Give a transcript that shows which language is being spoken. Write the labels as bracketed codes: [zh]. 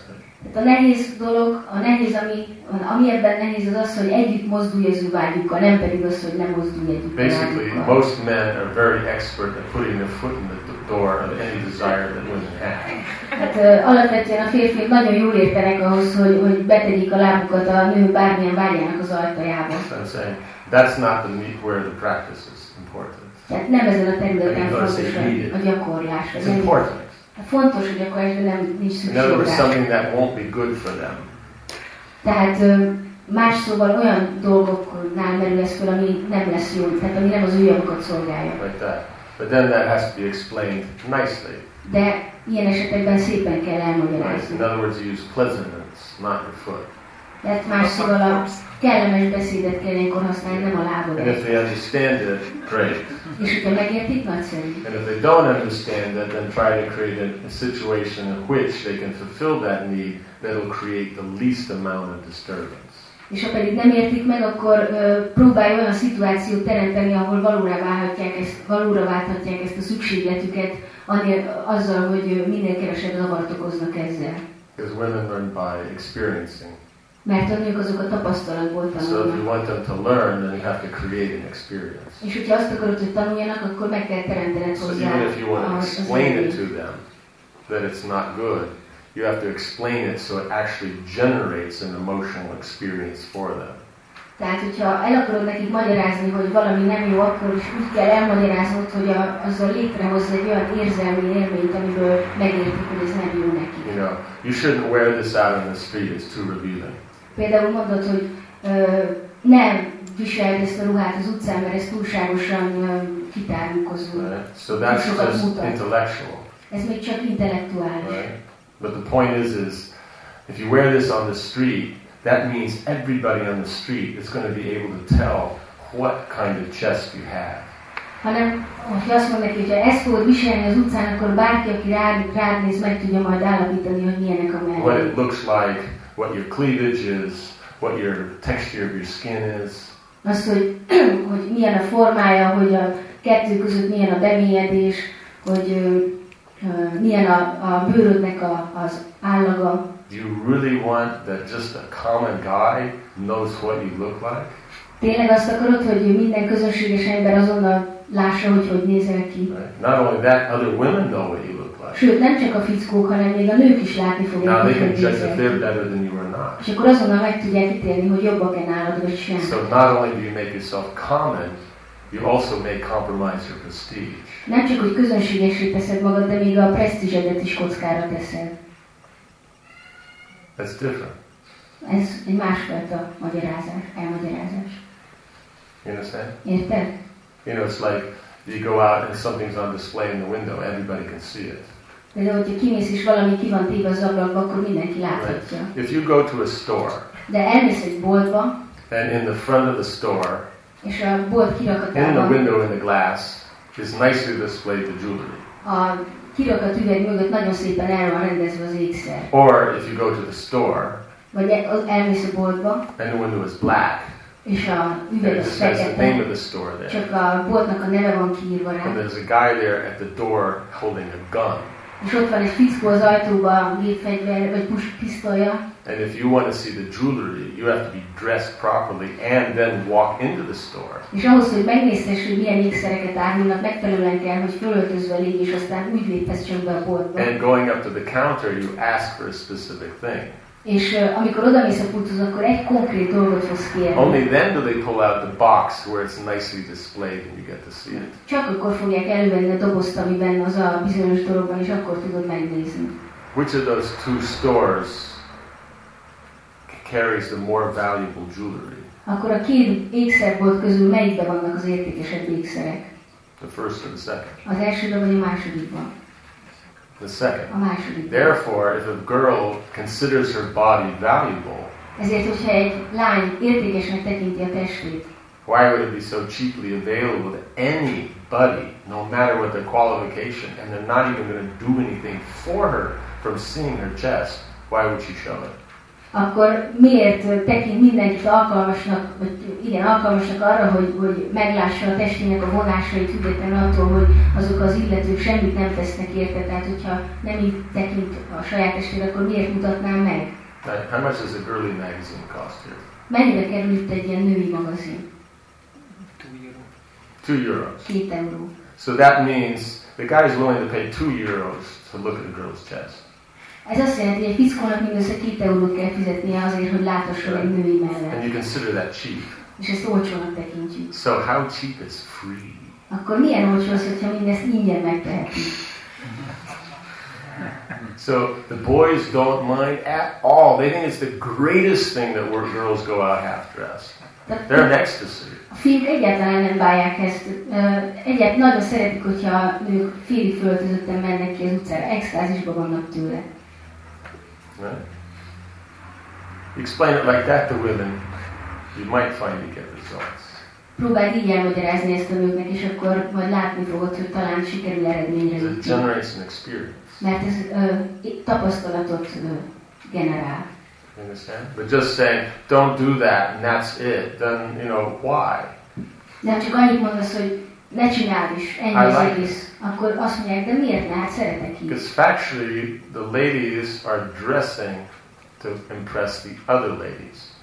[en] something. [hu] A nehéz dolog, a nehéz, ami ebben nehéz, az az, hogy együtt mozdulj az ő vágyukkal, nem pedig az, hogy nem mozdulj együtt vágyukkal. [en] Basically, most men are very expert at putting their foot in the door of any desire that women have. [hu] Hát alapvetően a férfiak nagyon jól értenek ahhoz, hogy betegyik a lábukat a nő bármilyen vágyának az ajtajába. [en] That's not the meat where the practice is important. [hu] Tehát nem ezen a területen fontos a gyakorlás. [en] It's important. [hu] Fontos, hogy akkor ezben nem nincs szükség. [en] In other words, something that won't be good for them. [hu] Tehát más szóval olyan dolgoknál merül ez fel, ami nem lesz jó, tehát ami nem az ő javukat szolgálja. [en] Like that. But then that has to be explained nicely. [hu] De ilyen esetekben szépen kell elmagyarázni. [en] In other words, you use pleasantness, not your foot. [hu] Tehát más szóval a kellemes beszédet kell ilyenkor használni, nem a lábodat. [en] And if they understand it, great. [hu] És hogyha megértik, nagyszerű. [en] And if they don't understand it, then try to create a situation in which they can fulfill that need that will create the least amount of disturbance. [hu] És ha pedig nem értik meg, akkor próbálj olyan szituációt teremteni, ahol valóra válthatják ezt a szükségletüket, azzal, hogy minél kevesebb zavart okoznak ezzel. [en] Because women learn by experiencing. [hu] Mert a nők azok a tapasztalatból tanulnak. [en] So if you want them to learn, then you have to create an experience. [hu] És hogyha azt akarod, hogy tanuljanak, akkor meg kell teremtened hozzá. [en] So even if you want to explain it to them, that it's not good, you have to explain it so it actually generates an emotional experience for them. [hu] Tehát, hogyha el akarod nekik magyarázni, hogy valami nem jó, akkor is úgy kell elmagyaráznod, hogy azzal létrehozz egy olyan érzelmi élményt, amiből megértik, hogy ez nem jó neki. [en] You know, you shouldn't wear this out in the street, it's too revealing. [hu] Például mondod, hogy nem viseld ezt a ruhát az utcán, mert ez túlságosan kitárulkozó. [en] So that's just intellectual. [hu] Ez még csak intellektuális. [en] Right? But the point is if you wear this on the street, that means everybody on the street is going to be able to tell what kind of chest you have. [hu] Hanem, hogy azt mondják, hogy ha ezt fogod viselni az utcán, akkor bárki, aki rád néz, meg tudja majd állapítani, hogy milyenek a mellé. [en] What it looks like, what your cleavage is, what your texture of your skin is. [hu] Azt, hogy milyen a formája, hogy a kettő között milyen a bemélyedés, hogy milyen a bőrödnek az állaga. [en] Do you really want that just a common guy knows what you look like? [hu] Tényleg azt akarod, hogy minden közönséges ember azonnal lássa, hogy nézel ki? [en] Not only that, other women know what you look like. [hu] Sőt, nem csak a fickók, hanem még a nők is látni fogják, hogy nézel ki. [en] Now they can judge if they're better than you or not. [hu] És akkor azonnal meg tudják ítélni, hogy jobbak-e nálad, vagy sem. [en] So not only do you make yourself common, you also may compromise your prestige. [hu] Nem csak, hogy közönségesé teszed magad, de még a presztízsedet is kockára teszed. [en] That's different. [hu] Ez egy másfajta elmagyarázás. [en] You understand? [hu] Érted? [en] You know, it's like you go out and something's on display in the window, everybody can see it. [hu] De hogyha kimész és valami ki van téve az ablakba, akkor mindenki láthatja. [en] Right? If you go to a store, [hu] de elmész egy boltba, [en] and in the front of the store, [hu] és a bolt kirakatában, [en] in the window in the glass, is nicely displayed the jewelry. [hu] Kirakat üveg mögött nagyon szépen el van rendezve az ékszer. [en] Or if you go to the store, [hu] vagy elmész a boltba, [en] and the window is black, [hu] és a üveg is fekete, csak a boltnak a neve van kiírva rá. [en] And there's a guy there at the door holding a gun. [hu] És ott van egy fickó az ajtóban, gépfegyver, vagy pisztolya. [en] And if you want to see the jewelry, you have to be dressed properly and then walk into the store. [hu] És ahhoz, hogy megnézhess, hogy milyen ékszereket árulnak, megfelelően kell, hogy fölöltözve légy, és aztán úgy léphessen be a boltba. [en] And going up to the counter, you ask for a specific thing. [hu] És amikor odamész a pulthoz, akkor egy konkrét dolgot fogsz kérni. [en] Only then do they pull out the box where it's nicely displayed and you get to see it. [hu] Csak akkor fogják elővenni a dobozt, ami benne az a bizonyos dologban, és akkor tudod megnézni. [en] Which of those two stores carries the more valuable jewelry? [hu] Akkor a két ékszerbolt közül melyikben vannak az értékesebb ékszerek? [en] The first or the second? [hu] Az elsőben vagy a másodikban? [en] The second. [hu] A másodikban. [en] Therefore, if a girl considers her body valuable, [hu] ezért, hogyha egy lány értékesnek tekinti a testét, [en] why would it be so cheaply available to any buddy, no matter what their qualification, and they're not even going to do anything for her from seeing her chest, why would she show it? [hu] Akkor miért tekint mindenkit alkalmasnak, vagy igen, alkalmasnak arra, hogy meglássa a testének a vonásait, függetlenül attól, hogy azok az illetők semmit nem tesznek érte, tehát hogyha nem így tekint a saját testére, akkor miért mutatná meg? [en] How much does a girly magazine cost here? [hu] Mennyire kerül itt egy ilyen női magazin? [en] 2 euros. [hu] 2 euro. [en] So that means the guy is willing to pay 2 euros to look at a girl's chest. [hu] Ez azt jelenti, hogy egy fickónak mindössze 2 eurót kell fizetnie azért, hogy látasson egy női mellett. [en] And you consider that cheap. [hu] És ezt olcsónak tekintjük. [en] So how cheap is free? [hu] Akkor milyen olcsó az, hogyha mindezt ingyen megteheti? [en] So the boys don't mind at all. They think it's the greatest thing that we're girls go out half dressed. They're in ecstasy. [hu] A fiúk egyáltalán nem bálják ezt. Nagyon szeretik, hogyha ők féli föltözötten mennek ki az utcára. Extázisba vannak tőle. [en] Right? Explain it like that to women, you might finally get results. [hu] Próbáld így elmagyarázni ezt a nőknek, és akkor majd látni fogod, hogy talán sikerül eredményre jutni. [en] It generates an experience. [hu] Mert ez tapasztalatot generál. [en] Understand? But just saying, don't do that, and that's it. Then, you know, why? [hu] Nem csak annyit mondasz, hogy ne csináld is, ennyi az egész. Akkor azt mondják, de miért ne? Hát szeretek így. [en] Because factually, the ladies are dressing to impress the other ladies.